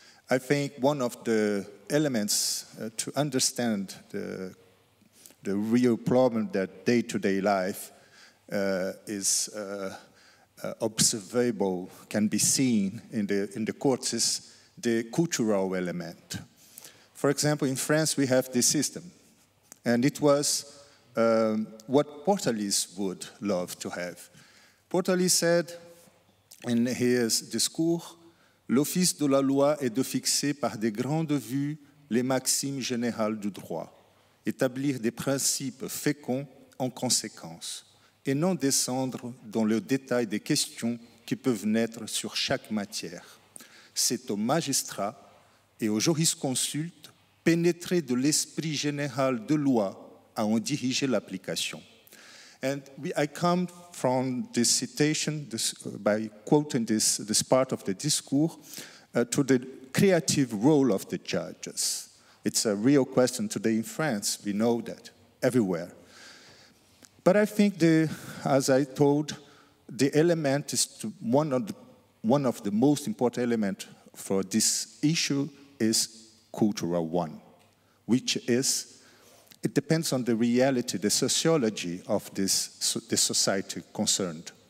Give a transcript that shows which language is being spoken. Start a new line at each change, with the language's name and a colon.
English: I think one of the elements to understand the real problem that day-to-day life is observable, can be seen in the courts, is the cultural element. For example, in France we have this system, and it was what Portalis would love to have. Portalis said in his
French: discours, l'office de la loi est de fixer par des grandes vues les maximes générales du droit, établir des principes féconds en conséquence, et non descendre dans le détail des questions qui peuvent naître sur chaque matière. C'est aux magistrats et aux jurisconsultes pénétrés de l'esprit général de loi à en diriger l'application.
English: And I come from this citation, by quoting this part of the discourse, to the creative role of the judges. It's a real question today in France. We know that everywhere. But I think, as I told, the element is one of the most important elements for this issue is cultural one, which is, it depends on the reality, the sociology of the society concerned.